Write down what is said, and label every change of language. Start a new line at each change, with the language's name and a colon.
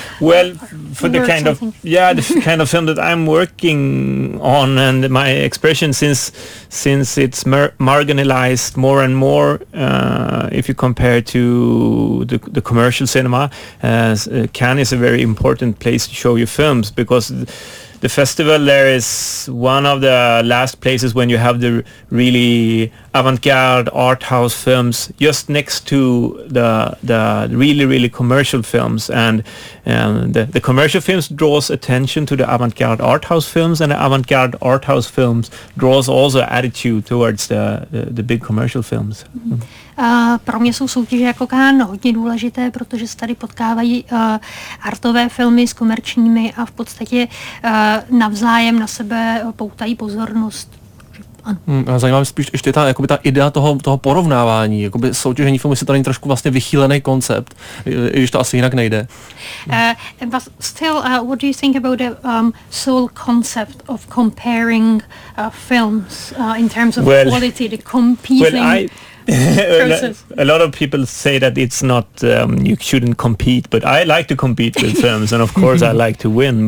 English: kind of film that I'm working on and my expression since it's marginalized more and more, if you compare to the commercial cinema, Cannes is a very important place to show your films because the festival there is one of the last places when you have the really avant-garde art house films just next to the really, really commercial films. And the commercial films draws attention to the avant-garde art house films, and the avant-garde art house films draws also attitude towards the big commercial films. Mm-hmm.
Czech: Pro mě jsou soutěže jako Cannes hodně důležité, protože se tady potkávají artové filmy s komerčními a v podstatě navzájem na sebe poutají pozornost. Zajímá mě spíš ještě ta idea toho porovnávání. Jakoby soutěžení filmu je tady trošku vlastně vychýlený koncept, i když to asi jinak nejde.
English: But still, what do you think about the sole concept of comparing films in terms of quality, the competing... A lot of people say that it's not you shouldn't compete, but I like to compete with films, and of course I like to win.